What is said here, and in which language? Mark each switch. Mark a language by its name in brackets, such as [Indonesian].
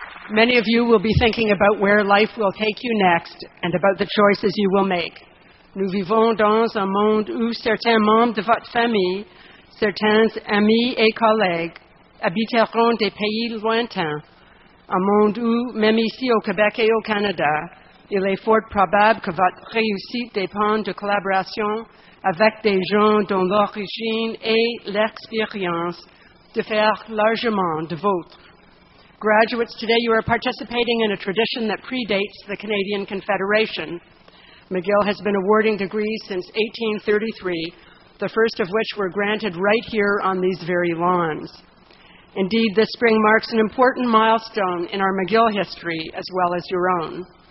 [English] Many of you will be thinking about where life will take you next and about the choices you will make. [French] Nous vivons dans un monde où certains membres de votre famille, certains amis et collègues, habiteront des pays lointains. Un monde où, même ici au Québec et au Canada, il est fort probable que votre réussite dépend de collaboration avec des gens dont l'origine et l'expérience diffèrent largement de vôtre. [English] Graduates, today you are participating in a tradition that predates the Canadian Confederation. McGill has been awarding degrees since 1833, the first of which were granted right here on these very lawns. Indeed, this spring marks an important milestone in our McGill history as well as your own.